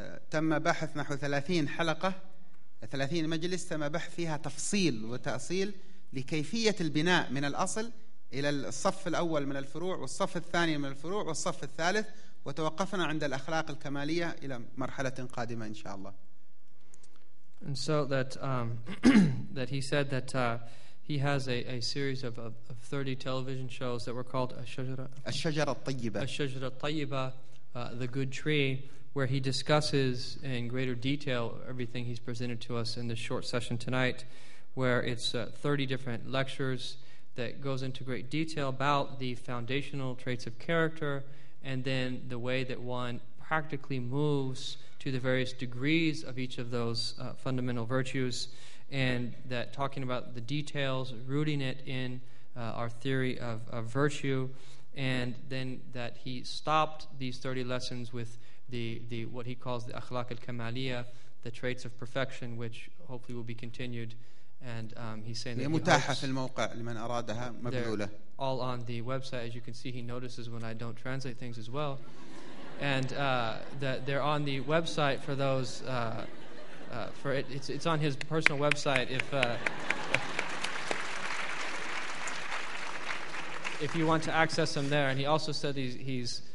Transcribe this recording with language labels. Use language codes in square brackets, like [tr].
[ar] تم بحث نحو 30 حلقة 30 مجلس تم بحث فيها تفصيل وتأصيل لكيفية البناء من الأصل إلى الصف الأول من الفروع والصف الثاني من الفروع والصف الثالث، وتوقفنا عند الأخلاق الكمالية إلى مرحلة قادمة إن شاء الله. [en] And so that that he said that he has a series of 30 television shows that were called [ar] الشجرة الطيبة. [en] الشجرة الطيبة, the good tree, where he discusses in greater detail everything he's presented to us in this short session tonight, where it's 30 different lectures that goes into great detail about the foundational traits of character and then the way that one practically moves to the various degrees of each of those fundamental virtues, and that talking about the details, rooting it in our theory of virtue, and then that he stopped these 30 lessons with the what he calls the akhlaq al-kamaliyya, the traits of perfection, which hopefully will be continued. And he's saying that [ar] متاحه في الموقع لمن ارادها مبذوله. [en] All on the website, as you can see, he notices when I don't translate things as well. And that they're on the website for those for it, it's on his personal website if you want to access them there. And he also said he's